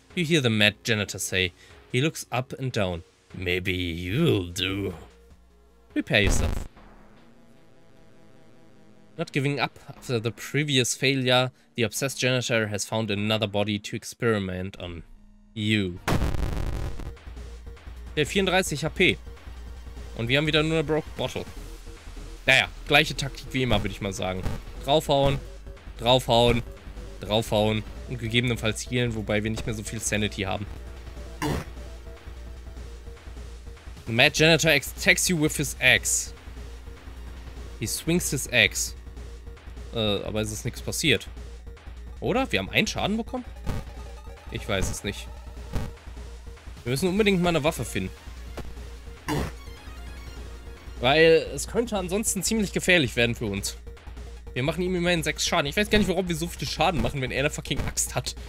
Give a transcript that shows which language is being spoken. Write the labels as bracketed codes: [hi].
[en] You hear the mad janitor say. He looks up and down. Maybe you'll do. Prepare yourself. Not giving up after the previous failure, the obsessed janitor has found another body to experiment on you. [de] Der 34 HP. Und wir haben wieder nur eine Broke Bottle. Naja, gleiche Taktik wie immer, würde ich mal sagen. Draufhauen, draufhauen, draufhauen und gegebenenfalls healen, wobei wir nicht mehr so viel Sanity haben. [en] The mad janitor attacks you with his axe. He swings his axe. [de] Aber es ist nichts passiert. Oder? Wir haben einen Schaden bekommen? Ich weiß es nicht. Wir müssen unbedingt mal eine Waffe finden. Weil es könnte ansonsten ziemlich gefährlich werden für uns. Wir machen ihm immerhin 6 Schaden. Ich weiß gar nicht, warum wir so viele Schaden machen, wenn er eine fucking Axt hat.